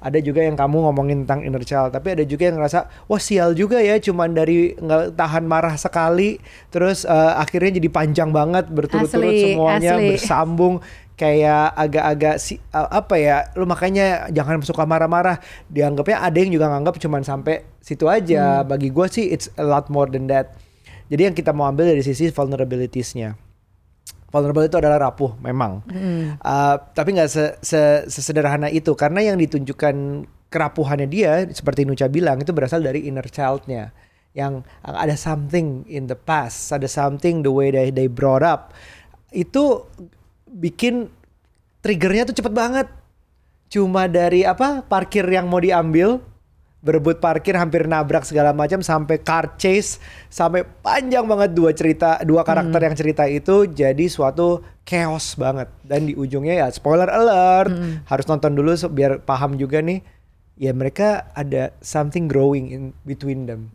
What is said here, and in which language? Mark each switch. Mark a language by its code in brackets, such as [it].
[id] Ada juga yang kamu ngomongin tentang inner child, tapi ada juga yang ngerasa wah sial juga ya, cuman dari nggak tahan marah sekali terus akhirnya jadi panjang banget berturut-turut asli, semuanya asli. Bersambung kayak agak-agak si apa ya lu, makanya jangan suka marah-marah, dianggapnya ada yang juga nganggap cuman sampai situ aja. Bagi gue sih [en] it's a lot more than that. [id] Jadi yang kita mau ambil dari sisi vulnerabilitiesnya, vulnerable itu adalah rapuh memang. Tapi nggak sesederhana itu, karena yang ditunjukkan kerapuhannya dia, seperti Nucha bilang, itu berasal dari inner child-nya. Yang ada [en] something in the past, ada something the way they brought up. [id] Itu bikin triggernya tuh cepet banget. Cuma dari apa, parkir yang mau diambil, berebut parkir, hampir nabrak segala macam, sampai car chase, sampai panjang banget dua cerita, dua karakter yang cerita itu, jadi suatu chaos banget. Dan di ujungnya ya, [en] spoiler alert, [id] harus nonton dulu biar paham juga nih, ya mereka ada [en] something growing in between them.